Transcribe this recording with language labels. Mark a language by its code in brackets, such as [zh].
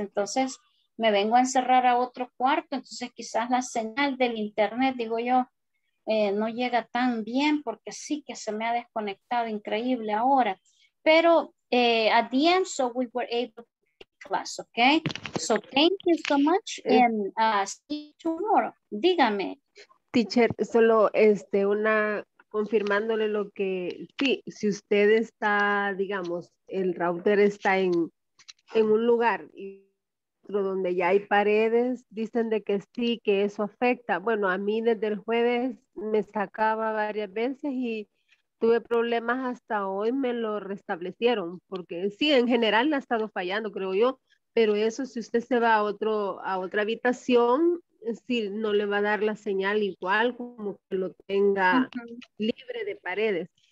[es] Entonces me vengo a encerrar a otro cuarto, entonces quizás la señal del internet, digo yo, no llega tan bien porque sí que se me ha desconectado increíble ahora. Pero [en] at the end, so we were able to take class, okay? So thank you so much and see you tomorrow. [es] Dígame. Teacher, solo una, confirmándole lo que, sí, si usted está, digamos, el router está en un lugar y otro donde ya hay paredes, dicen de que sí, que eso afecta. Bueno, a mí desde el jueves me sacaba varias veces y tuve problemas hasta hoy, me lo restablecieron, porque sí, en general ha estado fallando, creo yo, pero eso, si usted se va a otro, a otra habitación, sí, no le va a dar la señal igual como que lo tenga libre de paredes.